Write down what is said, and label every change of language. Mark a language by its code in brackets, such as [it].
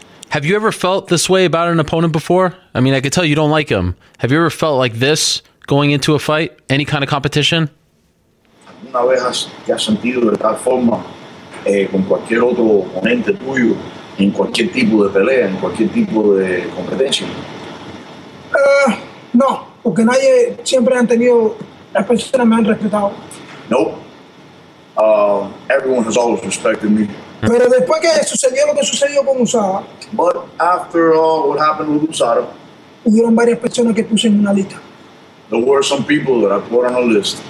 [en] Have you ever felt this way about an opponent before? I mean, I could tell you don't like him. Have you ever felt like this going into a fight? Any kind of competition? [es] Una vez has sentido de tal forma con cualquier otro oponente tuyo en cualquier tipo de pelea, en cualquier tipo de competencia? No, porque nadie siempre han tenido las personas me han respetado. [en] Nope. Everyone has always respected me. [es] Pero después que sucedió lo que sucedió con Usada, [en] but after all what happened with Usada, [es] hubieron varias personas que puse en una lista. [en] There were some people that I put on a list.